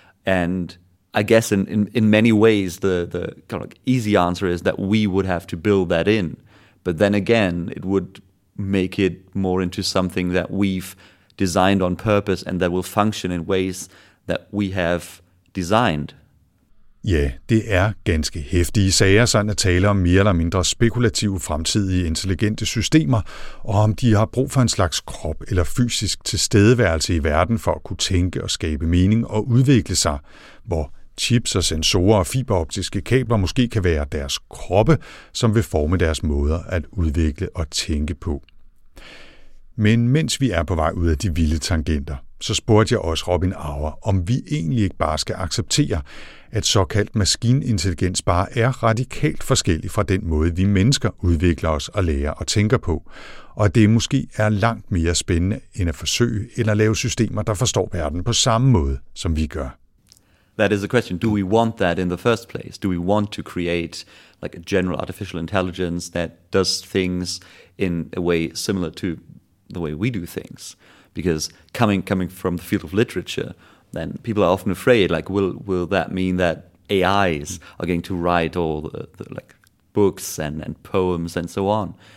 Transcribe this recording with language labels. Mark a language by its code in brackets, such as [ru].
[en] And I guess in many ways, the kind of like easy answer is that we would have to build that in. But then again, it would make it more into something that we've designed on purpose and that will function in ways that we have designed. [da] Ja, det er ganske heftige sager, sådan at tale om mere eller mindre spekulative fremtidige intelligente systemer, og om de har brug for en slags krop eller fysisk tilstedeværelse i verden for at kunne tænke og skabe mening og udvikle sig, hvor chips og sensorer og fiberoptiske kabler måske kan være deres kroppe, som vil forme deres måder at udvikle og tænke på. Men mens vi er på vej ud af de vilde tangenter, så spurgte jeg også Robin Auer, om vi egentlig ikke bare skal acceptere, at såkaldt maskinintelligens bare er radikalt forskellig fra den måde, vi mennesker udvikler os og lærer og tænker på, og at det måske er langt mere spændende end at forsøge eller lave systemer, der forstår verden på samme måde, som vi gør. [en] That is the question. Do we want that in the first place? Do we want to create like a general artificial intelligence that does things in a way similar to the way we do things? Because coming from the field of literature, then people are often afraid, like, will that mean that AIs are going to write all the like books and poems and so on?